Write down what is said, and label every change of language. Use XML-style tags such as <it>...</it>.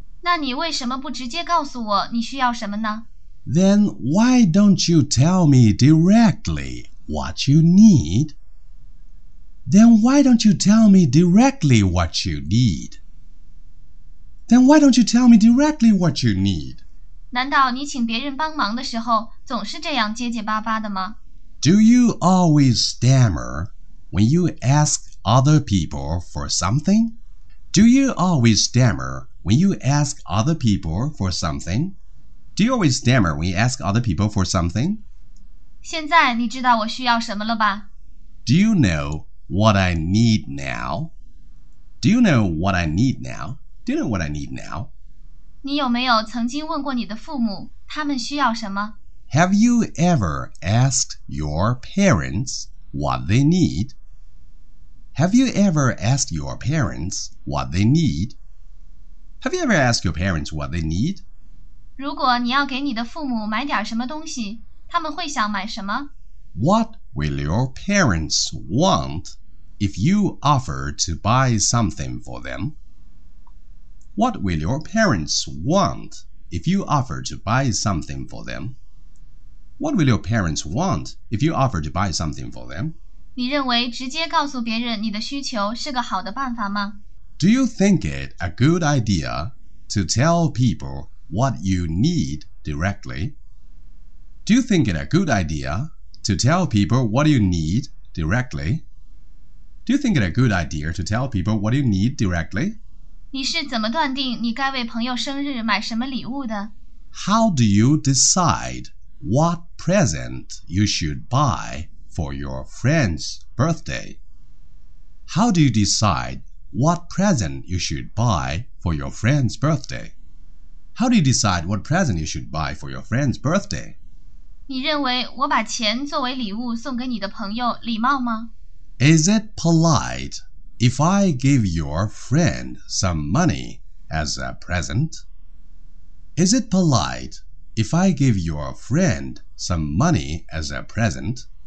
<zh>那你为什么不直接告诉我你需要什么呢</zh> <en>？Then why don't you tell me directly what you need? Then why don't you tell me directly what you need? Then why don't you tell me directly what you need?</en> <zh>难道你请别人帮忙的时候总是这样结结巴巴的吗</zh> <en>？Do you always stammer when you ask other people for something? Do you always stammer when you ask other people for something? Do you always stammer when you ask other people for something?</en> <zh>现在你知道我需要什么了吧</zh> <en>？Do you know what I need now? Do you know what I need now? Do you know what I need now?</en> <zh>你有没有曾经问过你的父母他们需要什么</zh> <en>Have you ever asked your parents what they need? Have you ever asked your parents what they need? Have you ever asked your parents what they need?</en> <zh>如果你要给你的父母买点什么东西他们会想买什么</zh> <en>What will your parents want if you offer to buy something for them? What will your parents want if you offer to buy something for them? What will your parents want if you offer to buy something for them?</en> <zh>你认为直接告诉别人你的需求是个好的办法吗</zh> <en>Do you think it a good idea to tell people what you need directly? Do you think it a good idea to tell people what you need directly? Do you think it a good idea to tell people what you need directly?</en> <zh>你是怎么断定你该为朋友生日买什么礼物的</zh> <en>？How do you decide what present you should buy for your friend's birthday? How do you decide what present you should buy for your friend's birthday? How do you decide what present you should buy for your friend's birthday?</en> <zh>你认为我把钱作为礼物送给你的朋友礼貌吗</zh> <en>？Is it polite? If I give your friend some money as a present, is it polite if I give your friend some money as a present?</en>